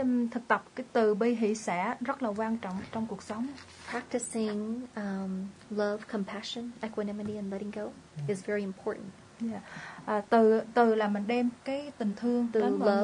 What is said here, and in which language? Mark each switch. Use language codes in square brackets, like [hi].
[vi] Thực tập cái từ bi hỷ xả rất là quan trọng trong cuộc sống. [en] Practicing love, compassion, equanimity, and letting go is very important. Yeah. [vi] Từ là mình đem cái tình thương đến mọi người.